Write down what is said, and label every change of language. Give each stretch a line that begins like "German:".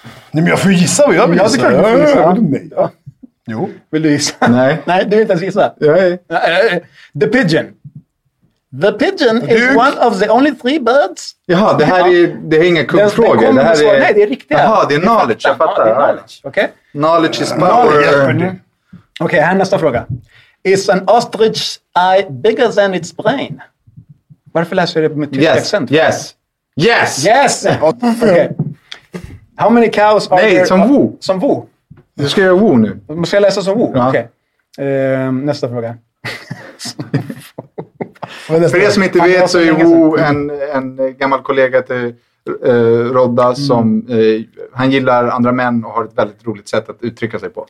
Swedish: Nej, men jag får gissa vad jag vill. Ja, det kan jag gissa. Jo. Vill du gissa? Nej. Nej, du vill inte ens gissa.
English: The pigeon. The pigeon is one of the only three birds.
Swedish: Jaha, det här är inga kuggfrågor. Nej, det är riktiga. Jaha, det är knowledge. Jag fattar.
English: Knowledge is power.
Swedish: Okej, här nästa fråga.
English: Is an ostrich eye bigger than its brain?
Swedish: Varför läser jag det med tysk accent?
English: Yes, yes, yes. How many cows are there?
Swedish: Nej, som wo. Som wo? Du ska göra wo nu. Ska jag läsa som wo? Okej. Nästa fråga. För er som inte vet så är Wu en gammal kollega till Rodda som han gillar andra män och har ett väldigt roligt sätt att uttrycka sig på.